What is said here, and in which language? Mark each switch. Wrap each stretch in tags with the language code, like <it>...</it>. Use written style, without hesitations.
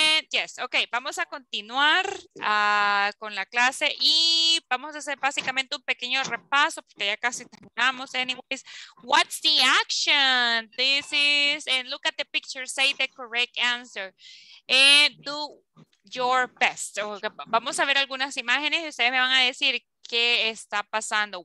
<en>Yes, ok,</en> <es>vamos a continuar con la clase y vamos a hacer básicamente un pequeño repaso porque ya casi terminamos.</es> <en>Anyways, what's the action? This is, and look at the picture, say the correct answer. And do your best.</en> <es>Vamos a ver algunas imágenes y ustedes me van a decir qué está pasando.</es>